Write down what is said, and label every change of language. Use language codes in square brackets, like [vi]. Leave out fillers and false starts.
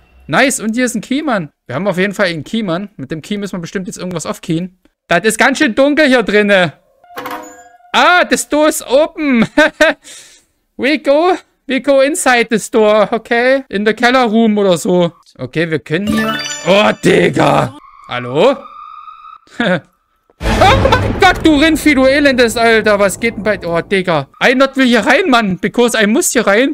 [de] Nice, und hier ist ein Keyman. Wir haben auf jeden Fall einen Keyman. Mit dem Key müssen wir bestimmt jetzt irgendwas aufkeyen. Das ist ganz schön dunkel hier drinne. [en] Ah, the store is open. We go inside the store, okay? In the Keller Room [de] oder so. Okay, wir können hier... Oh, Digga. Hallo? Oh mein Gott, du Rindvieh, du Elendes, Alter. Was geht denn bei... Oh, Digga. I not will hier rein, Mann. Because I muss hier rein.